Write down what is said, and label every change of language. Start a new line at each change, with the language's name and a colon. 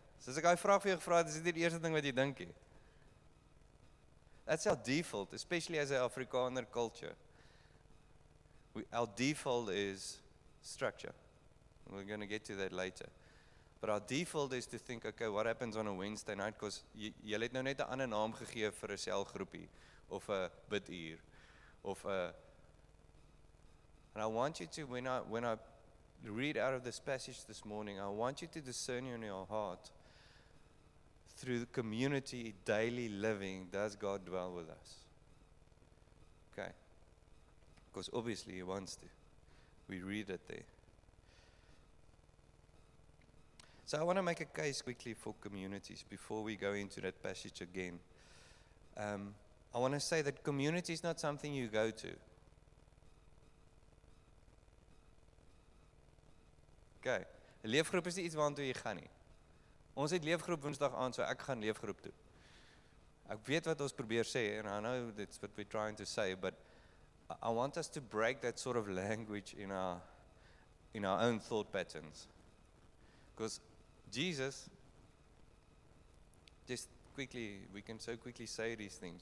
Afrikaans: So as ek die vraag vir jou gevra het, is dit die eerste ding wat jy dink het?
English: That's our default, especially as a Afrikaner culture. Our default is structure. We're going to get to that later. But our default is to think, okay, what happens on a Wednesday night?
Afrikaans: Because jy het nou net 'n ander naam gegee vir 'n selgroepie.
English: Of a bit ear, of a, and I want you to, when I read out of this passage this morning, I want you to discern in your heart, through the community, daily living, does God dwell with us? Okay. Because obviously he wants to. We read it there. So I want to make a case quickly for communities before we go into that passage again. I want to say that community is not something you go to. Okay.
Afrikaans: Leefgroep is nie iets waartoe jy gaan nie. Ons het leefgroep Woensdag aand, so ek gaan leefgroep toe. Ek weet wat ons probeer sê,
English: and I know that's what we're trying to say, but I want us to break that sort of language in our own thought patterns. Because Jesus, just quickly, we can so quickly say these things.